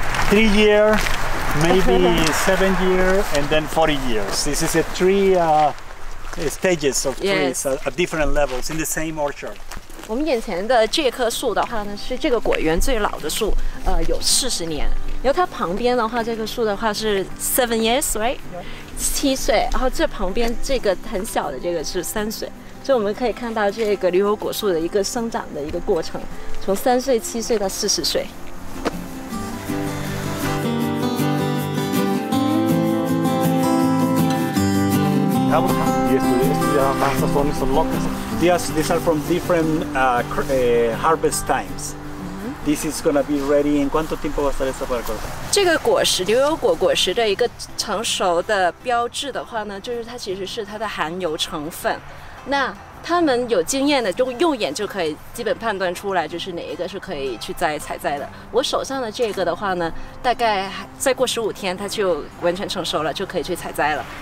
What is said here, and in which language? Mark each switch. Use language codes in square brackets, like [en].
[en] 3 years, maybe 7 years, and then 40 years. This is a three stages of trees at different levels in the same orchard. [zh] 我们眼前的这棵树的话呢，是这个果园最老的树，有40年。然后它旁边的话，这个树的话是 [en] 7 years, right? [zh] 7岁。然后这旁边这个很小的这个是3岁。所以我们可以看到这个牛油果树的一个生长的一个过程，从3岁、7岁到40岁。 [en] These are from different harvest times. This is going to be ready in [es] cuánto tiempo va a estar esta para cortar? [zh] 这个果实，牛油果果实的一个成熟的标志的话呢，就是它其实是它的含油成分。那他们有经验的，就用眼就可以基本判断出来，就是哪一个是可以去摘采摘的。我手上的这个的话呢，大概再过15天，它就完全成熟了，就可以去采摘了。